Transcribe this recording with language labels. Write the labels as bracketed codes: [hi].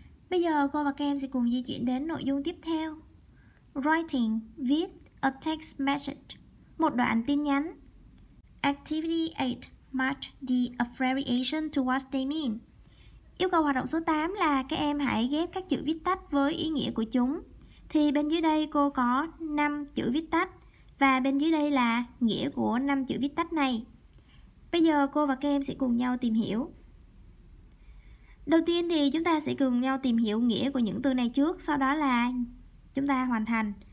[vi] Bây giờ cô và các em sẽ cùng di chuyển đến nội dung tiếp theo. Writing, viết, [en] a text message, [vi] một đoạn tin nhắn. [en] Activity 8, match the affiliation to what they mean. [vi] Yêu cầu hoạt động số 8 là các em hãy ghép các chữ viết tắt với ý nghĩa của chúng. Thì bên dưới đây cô có 5 chữ viết tắt và bên dưới đây là nghĩa của 5 chữ viết tắt này. Bây giờ cô và các em sẽ cùng nhau tìm hiểu. Đầu tiên thì chúng ta sẽ cùng nhau tìm hiểu nghĩa của những từ này trước, sau đó là chúng ta hoàn thành.